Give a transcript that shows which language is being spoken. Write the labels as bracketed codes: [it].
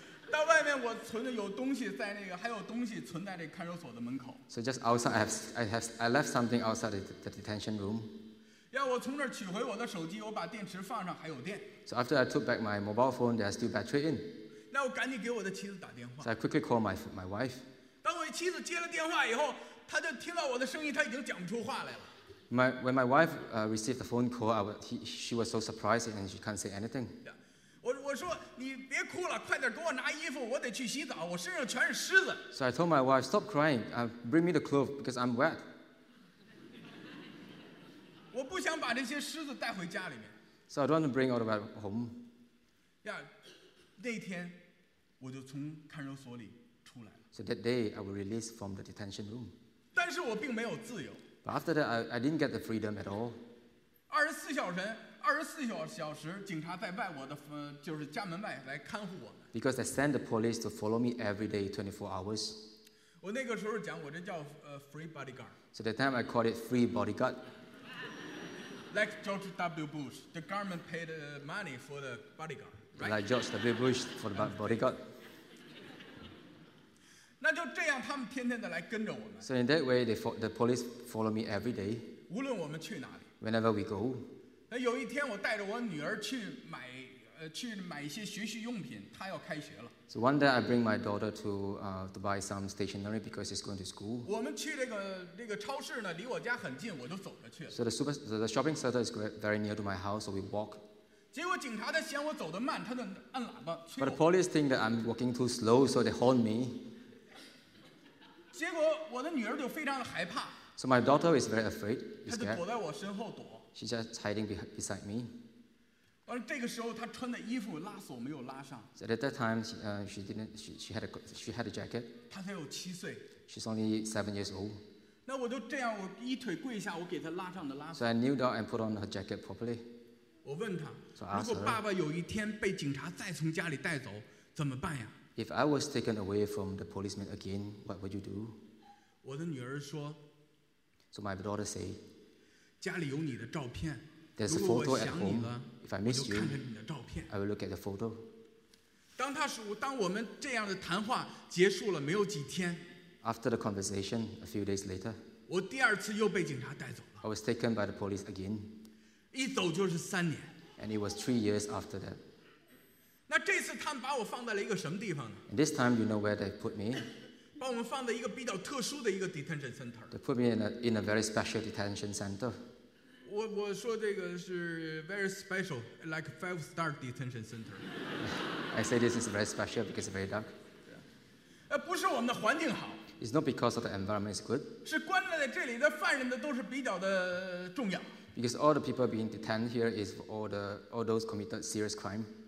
[zh] 到外面我存着有东西在那个, 还有东西存在这看守所的门口。 [en] So just outside, I left something outside the detention room. [zh] 要我从这取回我的手机, 我把电池放上, 还有电。 [en] So after I took back my mobile phone, there's still battery in. [zh] 那我赶紧给我的妻子打电话。 [en] So I quickly called my wife. [zh] 当我妻子接了电话以后, 她就听到我的声音, 她已经讲不出话来了。 [en] When my wife received the phone call, she was so surprised and she can't say anything. [zh] 我说, 你别哭了, 快点给我拿衣服, 我得去洗澡, 我身上全是湿的。 [en] So I told my wife, stop crying, bring me the clothes because I'm wet. [zh] 我不想把这些湿的带回家里面。 [en] So I don't want to bring all the way home. [zh] 呀, 那天, 我就从看守所里, [en] So that day, I was released from the detention room. [zh] 但是我并没有自由。 [en] But after that, I didn't get the freedom at all. [zh] 24小时, 警察在外, 我的, 就是家门外, 来看护我。 [en] Because they send the police to follow me every day, 24 hours. [zh] 我那个时候讲, 我这叫, [en] free bodyguard. So that time, I called it free bodyguard. Like George W. Bush, the government paid money for the bodyguard. Right? Like George W. Bush for the bodyguard. [zh] 那就这样, [en] so in that way, the police follow me every day. [zh] 无论我们去哪里, [en] whenever we go. [zh] 有一天我带着我女儿去买一些学习用品, 她要开学了。 [en] So one day I bring my daughter to buy some stationery because she's going to school. [zh] 我们去这个超市呢, 离我家很近, 我就走着去了。 [en] So the shopping center is very near to my house, so we walk. [zh] 结果警察他嫌我走得慢, 他就按喇叭, 催我。 [en] But the police think that I'm walking too slow, so they horn me. [zh] 结果我的女儿就非常的害怕。 [en] So my daughter is very afraid. [zh] 她就躲在我身后躲。 [en] She's just hiding beside me. [zh] 而这个时候她穿的衣服拉锁没有拉上。 [en] So at that time, she had a jacket. [zh] 她才有七岁。 [en] She's only 7 years old. [zh] 那我就这样, 我一腿跪下, 我给她拉上的拉锁。 [en] So I kneel down and put on her jacket properly. [zh] 我问她, [en] So I asked her, [zh] 如果爸爸有一天被警察再从家里带走, 怎么办呀? [en] If I was taken away from the policeman again, what would you do? [zh] 我的女儿说, [en] So my daughter say, [zh] 家里有你的照片, [en] There's a photo at home. If I miss [zh] 我就看看你的照片, [en] you, I will look at the photo. [zh] 当我们这样的谈话结束了, 没有几天, [en] After the conversation, a few days later, [zh] 我第二次又被警察带走了, [en] I was taken by the police again. [zh] 一走就是三年, [en] And it was 3 years after that. [zh] 那这次他们把我放在了一个什么地方呢? [en] And this time, you know where they put me? [zh] 把我们放在一个比较特殊的一个 detention center. [en] They put me in a very special detention center. [zh] 我说这个是 [en] very special, like five-star detention center. I say this is very special because it's very dark. [zh] 不是我们的环境好。 [en] It's not because of the environment is good. [zh] 是关在这里的犯人的都是比较的重要。 [en] Because all the people being detained here is all those committed serious crime.